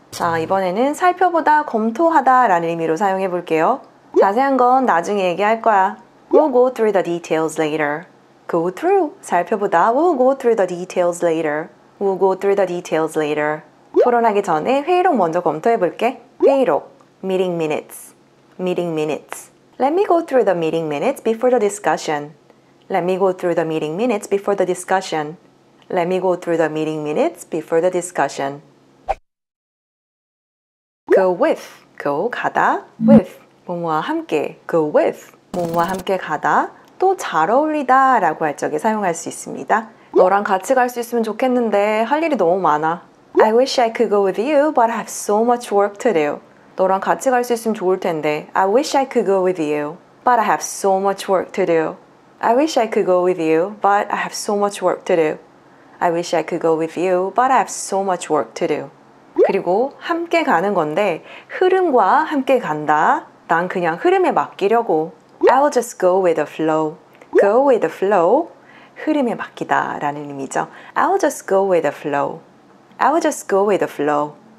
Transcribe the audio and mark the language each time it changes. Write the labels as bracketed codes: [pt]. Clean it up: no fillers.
[ko] 자, 이번에는 살펴보다, 검토하다 라는 의미로 사용해 볼게요. 자세한 건 나중에 얘기할 거야. [en] We'll go through the details later. Go through. [ko] 살펴보다. [en] We'll go through the details later. We'll go through the details later. [ko] 토론하기 전에 회의록 먼저 검토해 볼게. [en] 회의록. Meeting minutes. Meeting minutes. Let me go through the meeting minutes before the discussion. Let me go through the meeting minutes before the discussion. Let me go through the meeting minutes before the discussion. Go with. Go 가다. With. [ko] 뭐뭐와 함께. [en] Go with. [ko] 뭐뭐와 함께 가다. 또 잘 어울리다 라고 할 적에 사용할 수 있습니다. 너랑 같이 갈 수 있으면 좋겠는데 할 일이 너무 많아. [en] I wish I could go with you, but I have so much work to do. [ko] 너랑 같이 갈 수 있으면 좋을 텐데 [en] I wish I could go with you, but I have so much work to do. I wish I could go with you, but I have so much work to do. I wish I could go with you, but I have so much work to do. [ko] 그리고 함께 가는 건데 흐름과 함께 간다. 난 그냥 흐름에 맡기려고. [en] I will just go with the flow. Go with the flow. [ko] 흐름에 맡기다 라는 의미죠. [en] I will just go with the flow. I will just go with the flow.